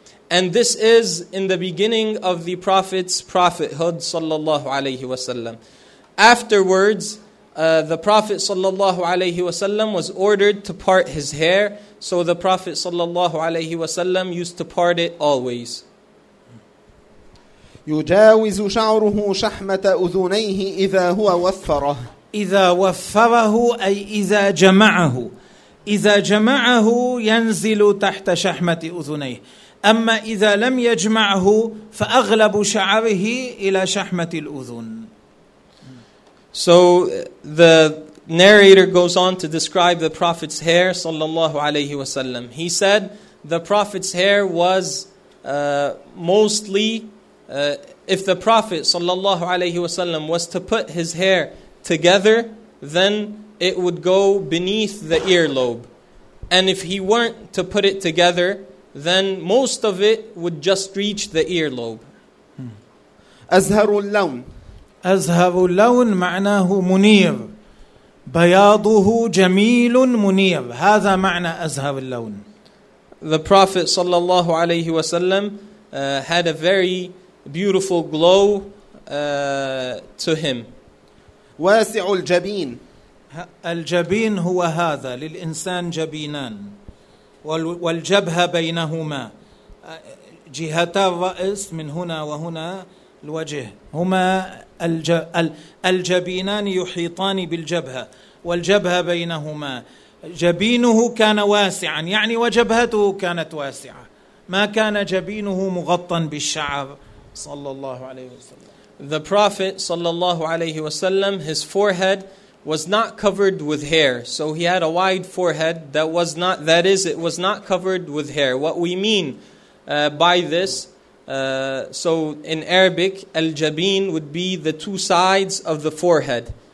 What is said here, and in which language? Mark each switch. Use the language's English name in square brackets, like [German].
[English] And this is in the beginning of the Prophet's prophethood sallallahu alayhi wasallam. Afterwards, the Prophet sallallahu alayhi wasallam was ordered to part his hair, so the Prophet sallallahu alayhi wasallam used to part it always. [Arabic] يجاوز شعره شحمة أذنيه إذا هو وفره. إذا وفره أي إذا جمعه. إذا جمعه ينزل تحت شحمة أذنيه، أما إذا لم يجمعه فأغلب شعره إلى شحمة الأذن. [English] So the narrator goes on to describe the Prophet's hair صلى الله عليه وسلم. He said the Prophet's hair was mostly, if the Prophet صلى الله عليه وسلم was to put his hair together, then it would go beneath the earlobe. And if he weren't to put it together, then most of it would just reach the earlobe. [Arabic] أزهر اللون. أزهر اللون معناه منير. بياضه جميل منير. هذا معنى أزهر اللون. [English] The Prophet صلى الله عليه وسلم had a very beautiful glow to him. [Arabic] واسع الجبين. الجبين هو هذا للإنسان جبينان والجبهة بينهما جهتا الرأس من هنا وهنا الوجه هما الجبينان يحيطان بالجبهة والجبهة بينهما جبينه كان واسعا يعني وجبهته كانت واسعة ما كان جبينه مغطى بالشعر صلى الله عليه وسلم. [English] The Prophet صلى الله عليه وسلم, his forehead was not covered with hair, so he had a wide forehead that was not, that is, it was not covered with hair. What we mean by this, so in Arabic, al-jabin would be the two sides of the forehead,